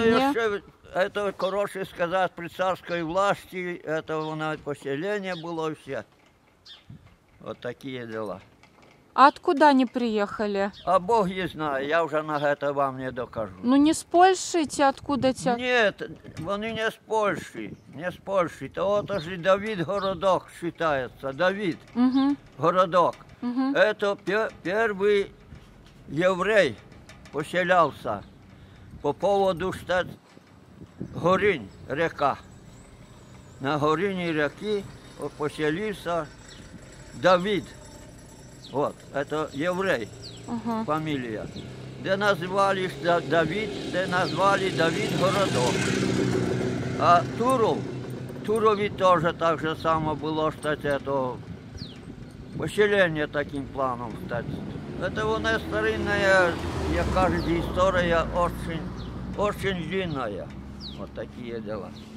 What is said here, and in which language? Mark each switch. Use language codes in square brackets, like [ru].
[uk] ні? Ну, це ще, це, коротше сказати, при царській власті, це воно поселення було все. От такі діла. А откуда вони приїхали? А Бог не знає, я вже на це вам не докажу. Ну не з Польщі ці, откуда ці? Ні, вони не з Польщі, не з Польщі. То от же Давид городок вважається, Давид городок. [ru] Это первый еврей поселялся по поводу что Горинь, река. На Горині реки поселился Давид. Вот, это еврей, фамилия. [uk] Де назвали Давид, де назвали Давид городок. [ru] А Туров, Турові тоже так же само было, что это поселення таким планом стати. [uk] Це воно старинне, як кажуть, історія дуже длинна. Ось такі діла.